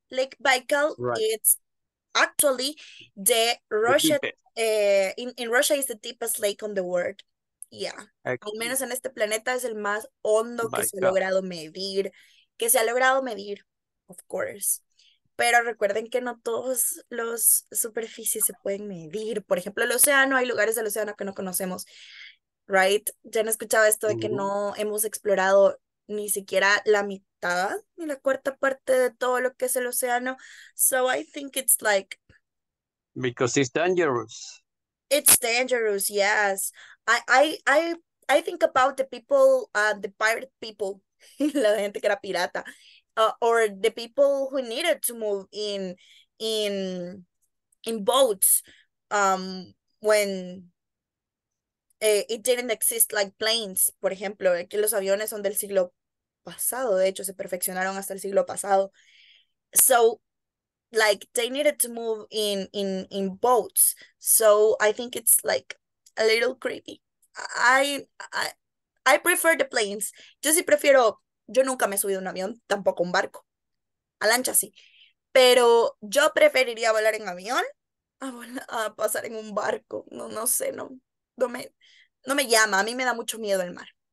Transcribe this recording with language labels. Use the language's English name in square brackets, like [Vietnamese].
[English] Lake Baikal, it's actually Russia is the deepest lake on the world. Yeah. Okay. [Spanish] Al menos en este planeta es el más hondo que se ha logrado medir. Que se ha logrado medir, [English] of course. [Spanish] Pero recuerden que no todas las superficies se pueden medir. Por ejemplo, el océano, hay lugares del océano que no conocemos. Right? Ya han escuchado esto de que no hemos explorado ni siquiera la mitad. Y la cuarta parte de todo lo que es el océano. [English] So I think it's like... Because it's dangerous. It's dangerous, yes. I think about the people, the pirate people, [Spanish] la gente que era pirata, [English] or the people who needed to move in boats when it didn't exist like planes, [Spanish] por ejemplo. Aquí los aviones son del siglo pasado, de hecho se perfeccionaron hasta el siglo pasado. [English] So like they needed to move in boats. So I think it's like a little creepy. I prefer the planes. [Spanish] Yo nunca me he subido a un avión, tampoco un barco. A lancha sí. Pero yo preferiría volar en avión a pasar en un barco. No me llama, a mí me da mucho miedo el mar.